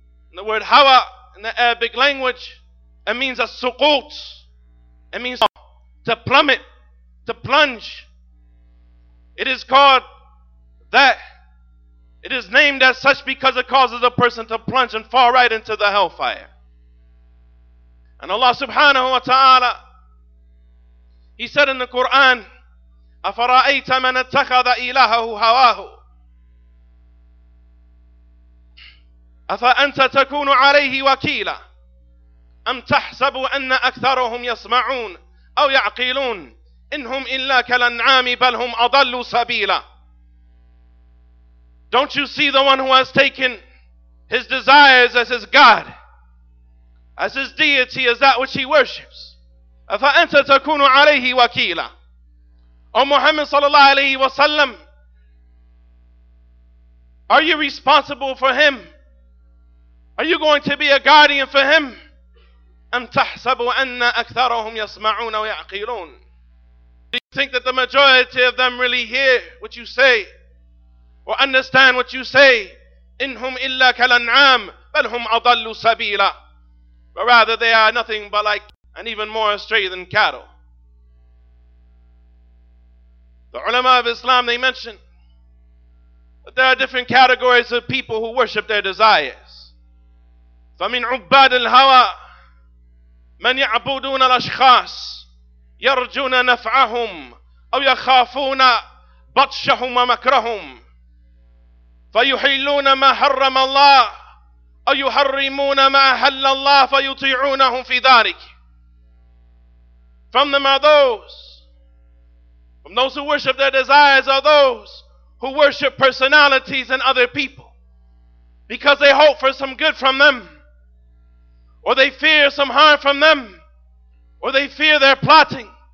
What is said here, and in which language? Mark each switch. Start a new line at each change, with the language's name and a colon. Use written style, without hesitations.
English: And the word hawa in the Arabic language, it means a suqut. It means to plummet, to plunge. It is called that. It is named as such because it causes a person to plunge and fall right into the hellfire. And Allah subhanahu wa ta'ala, he said in the Quran,
Arabic: أَفَرَأَيْتَ مَنَ اتَّخَذَ إِلَهَهُ هَوَاهُ أَفَأَنْتَ تَكُونُ عَلَيْهِ وَكِيلًا أَمْ تَحْسَبُ أَنَّ أَكْثَرُهُمْ يَسْمَعُونَ أَوْ يَعْقِلُونَ إِنْ هُمْ إِلَّا كَالْأَنْعَامِ بَلْ هُمْ أَضَلُّ سَبِيلًا.
English: Don't you see the one who has taken his desires as his God, as his deity, as that which he worships?
Arabic: أفأنت تكون عليه وكيلا؟ أم محمد صلى الله عليه وسلم,
English: are you responsible for him? Are you going to be a guardian for him?
Arabic: أم تحسب أن أكثرهم يسمعون ويعقلون?
English: Do you think that the majority of them really hear what you say or understand what you say?
Arabic: إنهم إلا كالأنعام بل هم أضل سبيلا.
English: But rather they are nothing but like and even more astray than cattle. The ulama of Islam, they mention that there are different categories of people who worship their desires.
Arabic: فمن عباد الهوى من يعبدون الأشخاص يرجون نفعهم أو يخافون بطشهم ومكرهم فيحلون ما حرم الله أو يحرمون ما أحل الله فيطيعونهم في ذلك.
English: From them are those, from those who worship their desires are those who worship personalities and other people because they hope for some good from them or they fear some harm from them or they fear their plotting.